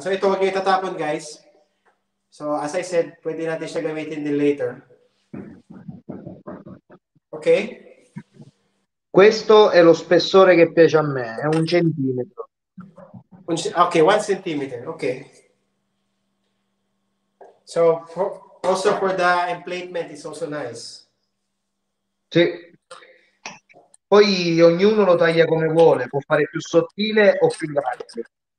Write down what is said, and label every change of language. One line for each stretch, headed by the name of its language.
Filipino: So ito, huwag nyo itatapon, guys.
English: So as I said,
Filipino: pwede natin siya gamitin din later.
English: Okay?
Italian: Questo è lo spessore che piace a me, è un centimetro.
English: Ok, 1 centimeter, ok. So, also for the emplatement is also nice.
Italian: Sì. Poi ognuno lo taglia come vuole, può fare più sottile o più grande.